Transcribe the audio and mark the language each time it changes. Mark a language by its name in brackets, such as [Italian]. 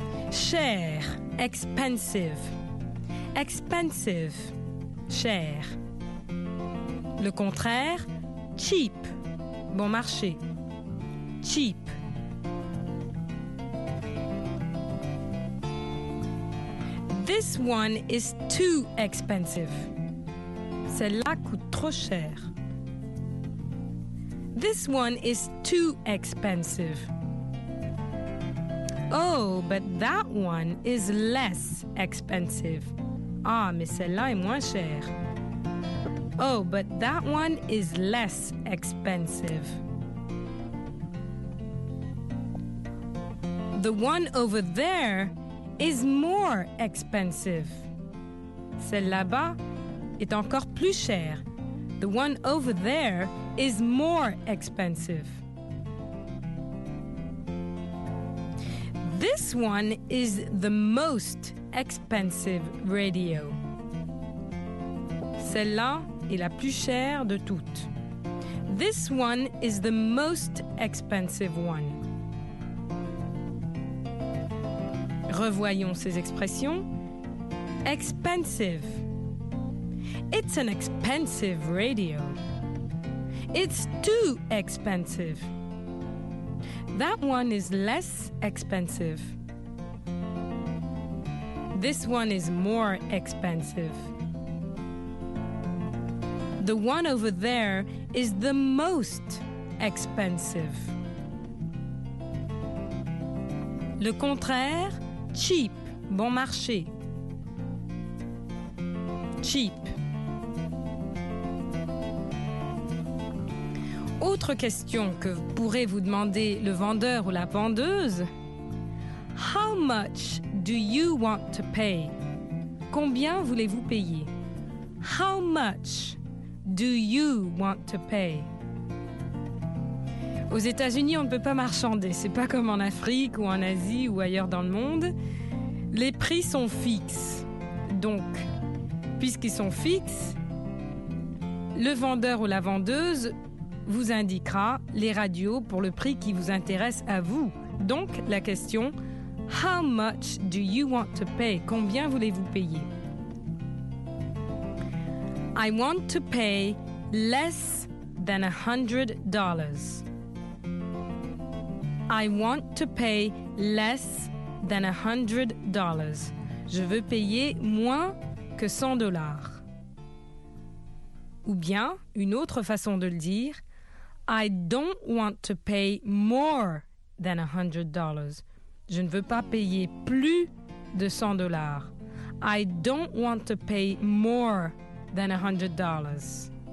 [French] Cher, expensive. Expensive, cher. Le contraire, cheap, bon marché. Cheap. [English] This one is too expensive. [French] Celle-là coûte trop cher. [English] This one is too expensive. Oh, but that one is less expensive. [French] Ah, mais celle-là est moins chère. [English] Oh, but that one is less expensive. The one over there is more expensive. [French] Celle là-bas est encore plus cher. [English] The one over there is more expensive. This one is the most expensive radio. [French] Celle-là est la plus chère de toutes. [English] This one is the most expensive one. [French] Revoyons ces expressions. Expensive. [English] It's an expensive radio. It's too expensive. That one is less expensive. This one is more expensive. The one over there is the most expensive. [French] Le contraire, cheap, bon marché. Cheap. Autre question que pourrait vous demander le vendeur ou la vendeuse. [English] How much do you want to pay? [French] Combien voulez-vous payer? [English] How much do you want to pay? [French] Aux États-Unis, on ne peut pas marchander. C'est pas comme en Afrique ou en Asie ou ailleurs dans le monde. Les prix sont fixes. Donc, puisqu'ils sont fixes, le vendeur ou la vendeuse vous indiquera les radios pour le prix qui vous intéresse à vous. Donc, la question, [English] how much do you want to pay? [French] Combien voulez-vous payer? [English] I want to pay less than $100. I want to pay less than $100. [French] Je veux payer moins que $100. Ou bien, une autre façon de le dire, [English] I don't want to pay more than $100. [French] Je ne veux pas payer plus de $100. [English] I don't want to pay more than $100.